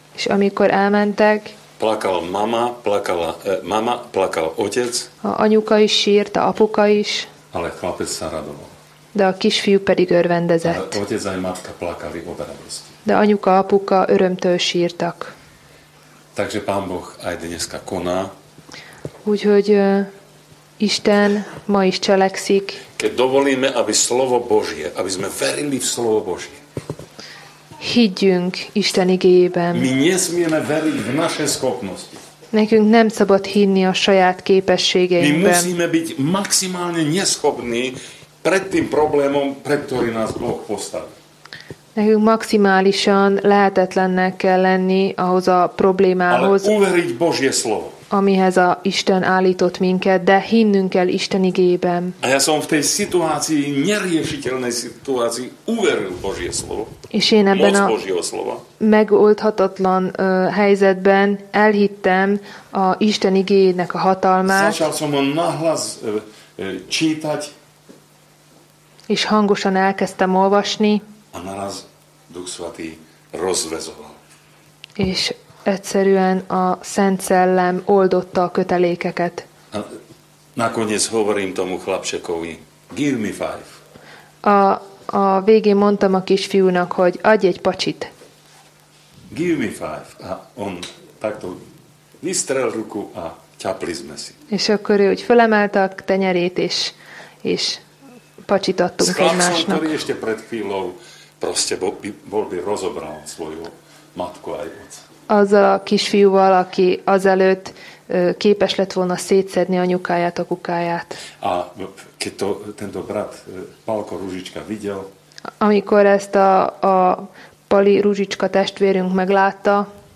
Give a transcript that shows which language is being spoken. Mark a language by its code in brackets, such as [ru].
[hu] és amikor elmentek, [sk] plakala mama, plakal otec, [hu] a anyuka is sírt, a apuka is, [sk] ale chlapec sa radoval. [hu] De a kisfiú pedig örvendezett. [sk] A otec aj matka plakali od radosti. [hu] De anyuka, apuka örömtől sírtak. [sk] Takže Pán Boh aj dneska koná. [hu] Úgyhogy Isten ma is cselekszik. [sk] Keď dovolíme, aby slovo Božie, aby sme verili v slovo Božie. [hu] Higgyünk Isten igéjében. [sk] Mi nesmieme veriť v naše schopnosti. [hu] Nekünk nem szabad hinni a saját képességeinkben. [sk] Mi musíme byť maximálne neschopní pred tým problémom, pred ktorý nás Boh postaví. [hu] Nekünk maximálisan lehetetlennek kell lenni ahhoz a problémához. [sk] Ale uveriť Božie slovo. [hu] Amihez a Isten állított minket, de hinnünk kell Isten igében. [sk] A ja som v tej situácii, neriešiteľnej situácii, uveril Božie slovo. [hu] És én ebben [sk] moc Božieho slova. [hu] Megoldhatatlan helyzetben elhittem a Isten igéjének a hatalmát. [sk] Začal som ho nahlas čítať. [hu] És hangosan elkezdtem olvasni. [sk] A naraz Duch Svätý rozvezoval. [hu] És egyszerűen a Szent Szellem oldotta a kötelékeket. [sk] A nakoniec hovorím tomu chlapčekovi, [en] give me five. [hu] A végén mondtam a kisfiúnak, hogy adj egy pacsit. [en] Give me five. [sk] A on takto vystrel ruku a ťapli sme si. [hu] És akkor ő úgy fölemelte a tenyerét, és pacsit adtunk egymásnak. [sk] S chlapcom, ktorý ešte pred chvíľou proste bol by rozobral svoju matku aj otca. [hu] Azzal a kisfiúval, aki azelőtt képes lett volna szétszedni anyukáját, a kukáját. [sk] A keď to tento brat Palko Ruzsicska videl, [hu] amikor ezt a Pali Ruzsicska testvérünk meglátta,